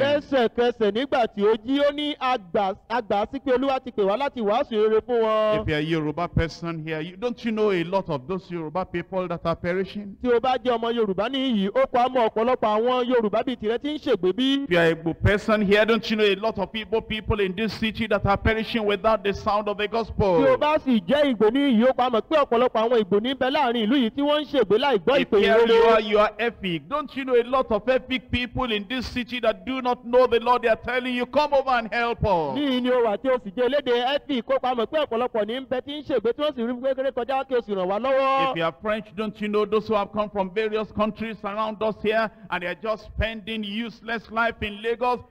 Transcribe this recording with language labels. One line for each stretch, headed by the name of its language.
Yoruba: Lẹ́sẹ̀kẹsẹ̀ nígbà tí ó jí, ó ní agbà sí pé Olúwa ti pè wá láti wá sùúrù fún wọn.
English: If you are Yoruba person here, you don't you know a lot of those Yoruba people that are perishing?
Yoruba: Tí o bá jẹ́ ọmọ Yorùbá níyì, ó pa mọ́ ọ̀pọ̀lọpọ̀ àwọn Yorùbá bíi tirẹ̀ tí ń ṣègbè bí.
English: If you are Igbo person here, don't you know a lot of people in this city that are perishing without the sound of the gospel?
Yoruba: Tí o bá sì jẹ́ Igbo níyì, ó pa mọ́ pé ọ̀pọ̀lọpọ̀ àwọn Igbo níbẹ̀ láàrin ìlú yìí tí wọ́n ń ṣègbè láì gbọ́ ìpè yìí.
English: If you are Efik, don't you know a lot of Efik people in this city that do not know the Lord? They are telling you, come over and help us.
Yoruba: Ní ìní o wà tí o sì jẹ́ eléde Efik, ó pa mọ́ pé ọ̀pọ̀lọpọ̀ ní bẹ tí ń ṣègbè tí wọ́n sì rí gbẹ́gbẹ́ kọjá kí o sì ràn wá lọ́wọ́.
English: If you are French, don't you know those who have come from various countries around us here and they are just spending useless life in Lagos?